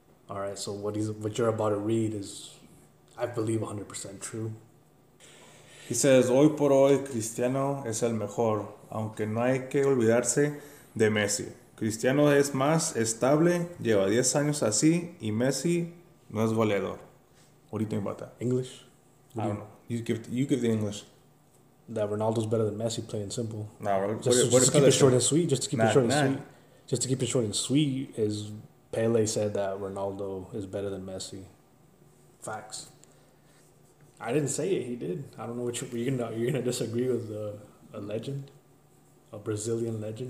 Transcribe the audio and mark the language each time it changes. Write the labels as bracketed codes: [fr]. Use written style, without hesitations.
[en] All right, so what you're about to read is, I believe, 100% true. [es] He says, hoy por hoy, Cristiano es el mejor, aunque no hay que olvidarse de Messi. Cristiano es más estable, lleva 10 años así, y Messi no es goleador. [en] What do you think about that? English? I don't know. You give the English. That Ronaldo's better than Messi, plain and simple. Nah, Just to keep it short and sweet is Pele said that Ronaldo is better than Messi. Facts. I didn't say it. He did. I don't know what you're gonna disagree with a legend, a Brazilian legend.